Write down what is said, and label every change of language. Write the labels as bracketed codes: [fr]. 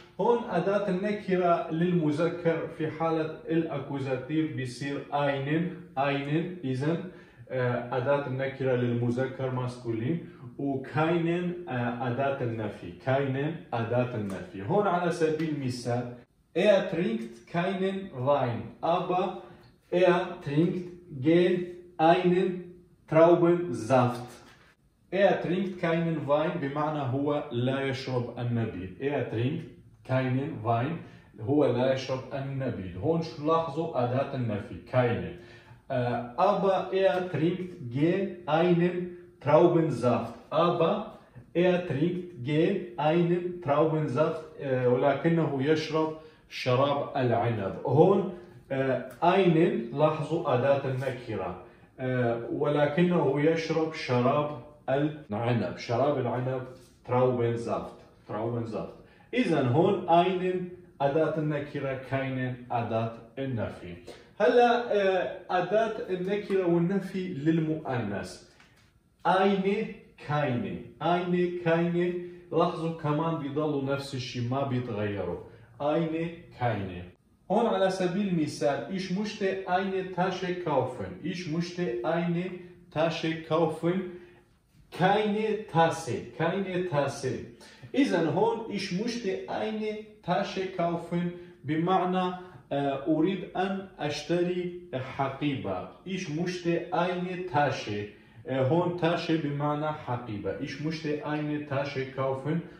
[ar] هون أداة النكرة للمذكر في حالة الأكوزاتيف بيصير أينن. أينن إذا أداة النكرة للمذكر ماسكولين. وكاينن أداة النفي. كاينن أداة النفي. هون على سبيل المثال [de] إير ترينكت كاينن راين. [ar] أبا [de] trinkt gern einen Traubensaft. Trinkt keinen Wein, [ar] بمعنى هو لا يشرب النبيذ. [de] Trinkt keinen Wein, [ar] هو لا يشرب النبيذ. هون شو لاحظوا أداة النفي keinen. [de] Aber trinkt gern einen Traubensaft. Trinkt gern einen Traubensaft. [ar] ولكنه يشرب شراب العنب. هون einen لاحظوا أداة النكرة. ولكنه يشرب شراب العنب. شراب العنب Traubensaft. [de] Traubensaft. [ar] إذن هون einen أداة النكرة keinen أداة النفي. هلا أداة النكرة والنفي للمؤنث. [de] Eine keine. Eine keine. [ar] لاحظوا كمان بيضلوا نفس الشيء ما بيتغيروا. [de] Eine keine. [ar] هون على سبيل المثال [de] ich möchte eine Tasche kaufen. Ich möchte eine Tasche kaufen. Keine Tasse. Keine Tasse. [ar] إذن هون [de] ich möchte eine Tasche kaufen [ar] بمعنى أريد أن أشتري حقيبة. [de] Ich möchte eine Tasche. [ar] هون تاشة بمعنى حقيبة. [de] Ich möchte eine Tasche kaufen.